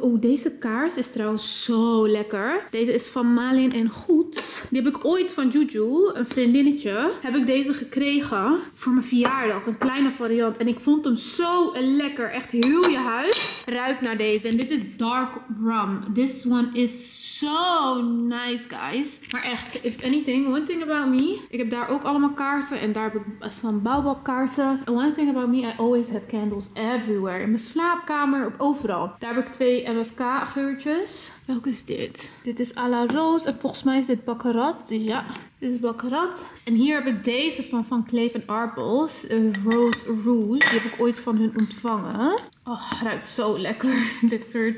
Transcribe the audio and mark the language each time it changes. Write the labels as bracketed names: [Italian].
[Dutch] Oeh, deze kaars is trouwens zo lekker. Deze is van Malin en Goets. Die heb ik ooit van Juju, een vriendinnetje, heb ik deze gekregen voor mijn verjaardag. Een kleine variant. En ik vond hem zo lekker. Echt heel je huis ruikt naar deze. En dit is dark rum. [English] This one is so nice guys. [Dutch] Maar echt, [English] if anything, one thing about me. [Dutch] Ik heb daar ook allemaal kaarsen en daar heb ik best van baobab kaarsen. [English] And one thing about me, I always have candles everywhere. [Dutch] In mijn slaapkamer, overal. Daar heb ik 2 MFK geurtjes. Welke is dit? Dit is à la rose en volgens mij is dit baccarat. Ja, dit is baccarat. En hier heb ik deze van Kleef & Arpels. Rose Rouge. Die heb ik ooit van hun ontvangen. Oh, ruikt zo lekker. Dit geurt.